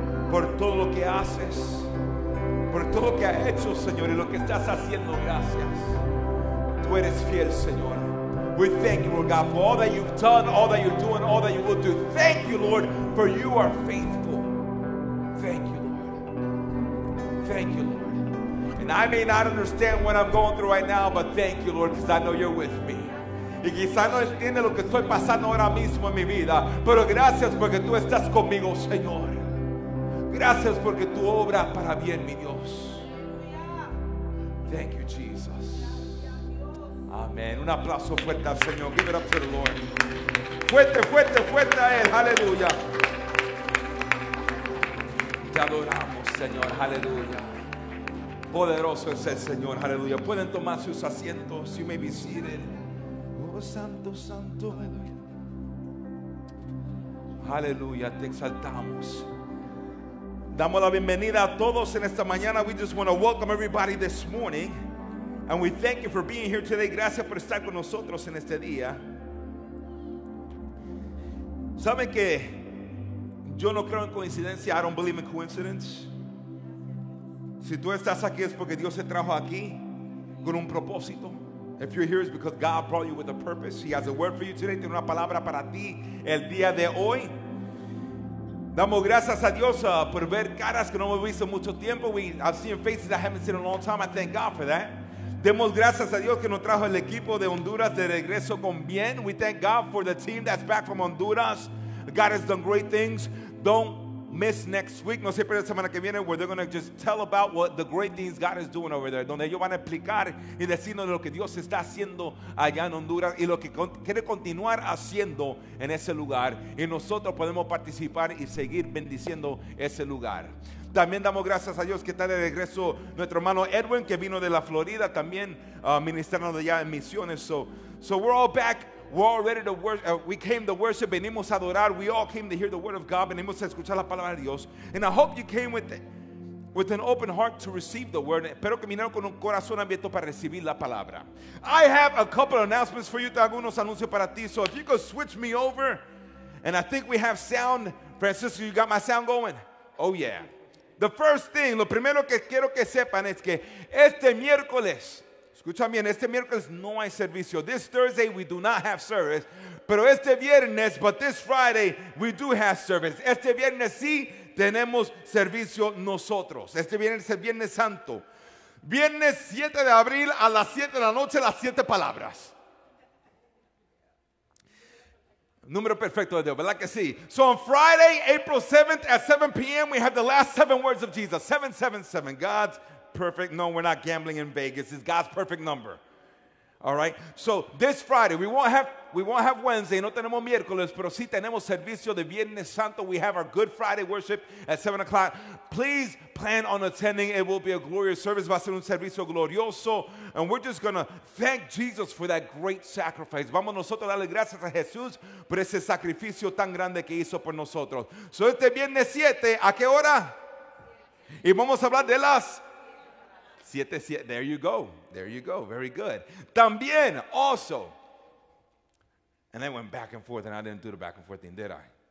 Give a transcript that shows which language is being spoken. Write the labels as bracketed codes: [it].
[es] Por todo lo que haces, por todo lo que has hecho, Señor, y lo que estás haciendo, gracias. Tú eres fiel, Señor. [en] We thank you, Lord God, for all that you've done, all that you're doing, all that you will do. Thank you, Lord, for you are faithful. Thank you, Lord. Thank you, Lord. And I may not understand what I'm going through right now, but thank you, Lord, because I know you're with me. [es] Y quizá no entiende lo que estoy pasando ahora mismo en mi vida, pero gracias porque tú estás conmigo, Señor. Gracias porque tú obras para bien, mi Dios. [en] Thank you, Jesus. Amén. [es] Un aplauso fuerte al Señor. [en] Give it up to the Lord. [es] Fuerte, fuerte, fuerte a Él. Aleluya. Te adoramos, Señor. Aleluya. Poderoso es el Señor. Aleluya. Pueden tomar sus asientos. [en] You may be seated. [es] Oh, santo, santo. Aleluya. Aleluya. Te exaltamos. Damos la bienvenida a todos en esta mañana. [en] We just want to welcome everybody this morning. And we thank you for being here today. [es] Gracias por estar con nosotros en este día. ¿Saben que yo no creo en coincidencia? [en] I don't believe in coincidence. [es] Si tú estás aquí es porque Dios te trajo aquí con un propósito. [en] If you're here, it's because God brought you with a purpose. He has a word for you today. [es] Tiene una palabra para ti el día de hoy. [en] Damos gracias a Dios por ver caras que no hemos visto mucho tiempo. I've seen faces I haven't seen in a long time. I thank God for that. [es] Demos gracias a Dios que nos trajo el equipo de Honduras de regreso con bien. [en] We thank God for the team that's back from Honduras. God has done great things. Don't miss next week. [es] No se pierda la semana que viene, [en] where they're going to just tell about what the great things God is doing over there. [es] Donde ellos van a explicar y decirnos lo que Dios está haciendo allá en Honduras y lo que quiere continuar haciendo en ese lugar. Y nosotros podemos participar y seguir bendiciendo ese lugar. También damos gracias a Dios que está de regreso nuestro hermano Edwin, que vino de la Florida también ministrando allá en misiones. [en] So we're all back. We're all ready to worship. We came to worship. [es] Venimos a adorar. [en] We all came to hear the word of God. [es] Venimos a escuchar la palabra de Dios. [en] And I hope you came with an open heart to receive the word. [es] Espero que vinieron con un corazón abierto para recibir la palabra. [en] I have a couple of announcements for you. [es] Tengo unos anuncios para ti. [en] So if you could switch me over. And I think we have sound. Francisco, you got my sound going? Oh, yeah. The first thing, [es] lo primero que quiero que sepan es que este miércoles, escuchan bien, este miércoles no hay servicio. [en] This Thursday we do not have service, [es] pero este viernes, [en] but this Friday we do have service. [es] Este viernes sí tenemos servicio nosotros. Este viernes es Viernes Santo. Viernes 7 de abril a las 7 de la noche, las 7 palabras. Número perfecto de Dios, ¿verdad que sí? [en] So on Friday, April 7th at 7 p.m., we have the last seven words of Jesus. 777, God's perfect. No, we're not gambling in Vegas. It's God's perfect number. All right? So this Friday, we won't have Wednesday. [es] No tenemos miércoles, pero sí tenemos servicio de Viernes Santo. [en] We have our Good Friday worship at 7 o'clock. Please plan on attending. It will be a glorious service. [es] Va a ser un servicio glorioso. [en] And we're just going to thank Jesus for that great sacrifice. [es] Vamos nosotros a darle gracias a Jesús por ese sacrificio tan grande que hizo por nosotros. So este viernes 7, ¿a qué hora? Y vamos a hablar de las siete, siete. [en] There you go. There you go. Very good. También, also. And I went back and forth, and I didn't do the back and forth thing, did I?